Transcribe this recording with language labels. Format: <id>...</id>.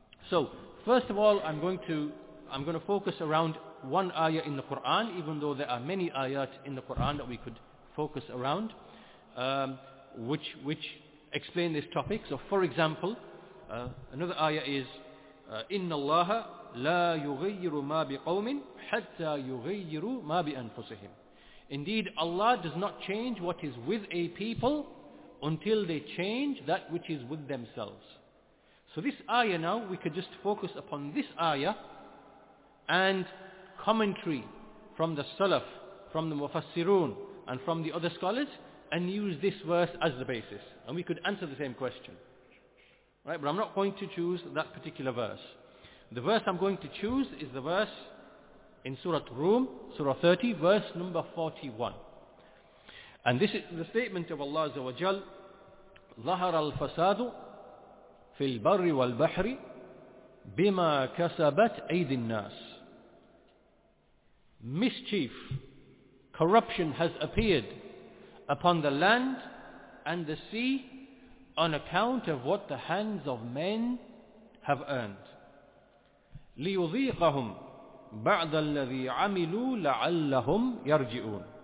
<en>So, first of all, I'm going to focus around one ayah in the Quran, even though there are many ayat in the Quran that we could focus around, which explain this topic. So, for example, another ayah is</en> <ar>إِنَّ اللَّهَ لَا يُغَيِّرُ مَا بِقَوْمٍ حَتَّى يُغَيِّرُ مَا بِأَنفُسِهِمْ.</ar> <en>Indeed, Allah does not change what is with a people until they change that which is with themselves. So this ayah now, we could just focus upon this ayah and commentary from the Salaf, from the Mufassirun, and from the other scholars, and use this verse as the basis. And we could answer the same question. Right? But I'm not going to choose that particular verse. The verse I'm going to choose is the verse in Surah Rum, Surah 30, verse number 41. And this is the statement of Allah Azza wa Jal,</en> <ar>ظهر الفساد في البر والبحر بما كسبت أيدي الناس.</ar> <en>Mischief, corruption has appeared upon the land and the sea on account of what the hands of men have earned.</en> <ar>لِيُذِيقَهُمْ بَعْضَ الَّذِي عَمِلُوا لَعَلَّهُمْ يَرْجِعُونَ.</ar>